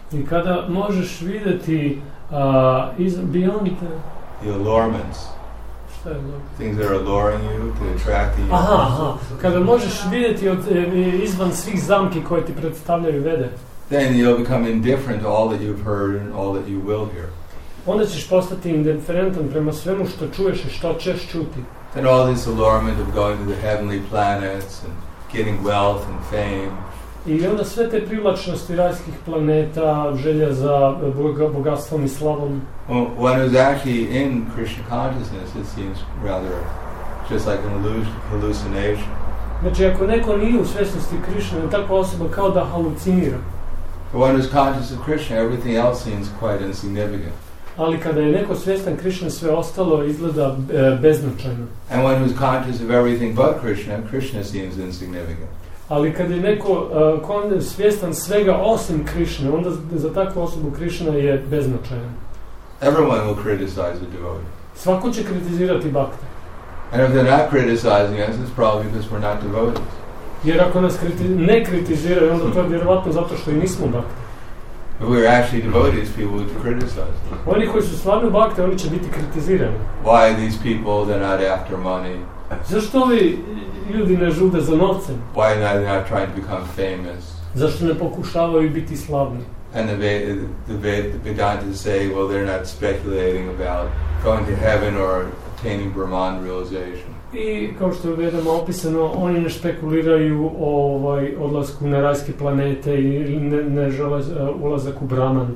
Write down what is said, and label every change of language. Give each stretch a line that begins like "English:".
Croatian: i kada možeš videti
English: beyond the allurements, things that are alluring you to attract you,
Croatian: kada možeš videti izvan svih zamki koje ti predstavljaju Vede,
English: then you'll become indifferent to all that you've heard and all that you will hear.
Croatian: Onda ćeš postati indiferentan prema svemu što čuješ i što ćeš čuti.
English: And all this allurement of going to the heavenly planets and getting wealth and fame.
Croatian: I onda sve te privlačnosti rajskih planeta, želja za bogatstvom i slavom.
English: When it was actually in Krishna consciousness, it seems rather just like an hallucination.
Croatian: Znači, ako neko nije u svjesnosti Krishna, takva osoba kao da halucinira.
English: For one who is conscious of Krishna, everything else seems quite insignificant.
Croatian: Ali kada je neko svjestan Krishna, sve ostalo izgleda beznačajno.
English: And one who's conscious of everything but Krishna, Krishna seems insignificant.
Croatian: Ali kada je neko svjestan svega osim Krishna, onda za takvu osobu Krishna je beznačajan.
English: Everyone will criticize the devotee.
Croatian: Svako će kritizirati bhakta.
English: And if they're not criticizing us, it's probably because we're not devotees.
Croatian: Jer ako nas ne kritiziraju, onda to je vjerovatno zato što i nismo bhakta.
English: If we're actually devotees, people would criticize.
Croatian: Oni koji su slavni bhakte, oni će biti kritizirani.
English: Why are these people, they're not after money?
Croatian: Zašto ovi ljudi ne žude za novcem?
English: Why are they not trying to become famous?
Croatian: Zašto ne pokušavaju biti slavni?
English: And the Vedantas say, well, they're not speculating about going to heaven or attaining Brahman realization.
Croatian: I kao što je vedama opisano, oni ne špekuliraju o odlasku na rajske planete i ne žele ulazak u Brahman.